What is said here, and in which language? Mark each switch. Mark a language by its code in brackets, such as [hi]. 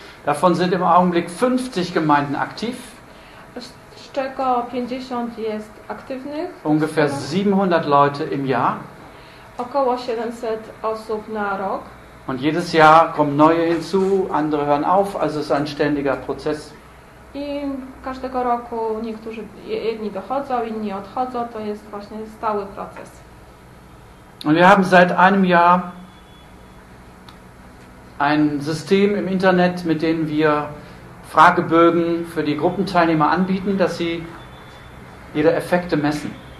[de] Davon sind im Augenblick 50 Gemeinden aktiv. [pl] Z czego 50 jest aktywnych. [de] Ungefähr 700 Leute im Jahr. [pl] Około 700 osób na rok. [de] Und jedes Jahr kommen neue hinzu, andere hören auf, also es ist ein ständiger Prozess. [pl] I każdego roku niektórzy, jedni dochodzą, inni odchodzą, to jest właśnie stały proces. [de] Und wir haben seit einem Jahr ein System im Internet, mit dem wir Fragebögen für die Gruppenteilnehmer anbieten, dass sie ihre Effekte messen.